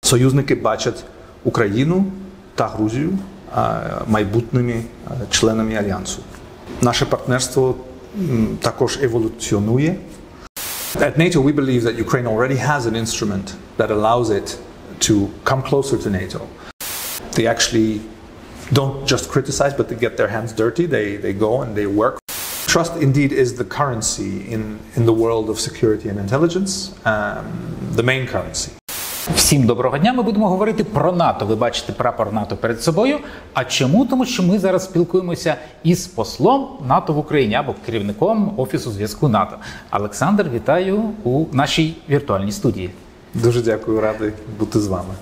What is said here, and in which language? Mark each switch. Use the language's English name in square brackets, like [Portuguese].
[Ukrainian] союзники бачать Україну та Грузію майбутніми членами Альянсу. Наше партнерство також еволюціонує. [English] At NATO we believe that Ukraine already has an instrument that allows it to come closer to NATO. They actually don't just criticize, but they get their hands dirty. They go and they work. Trust indeed is the currency in the world of security and intelligence, the main currency. [Ukrainian] Всім доброго дня. Ми будемо говорити про НАТО. Ви бачите прапор НАТО перед собою. А чому? Тому що ми зараз спілкуємося із послом НАТО в Україні або керівником Офісу зв'язку НАТО. Олександр, вітаю у нашій віртуальній студії. Дуже дякую, радий бути з вами.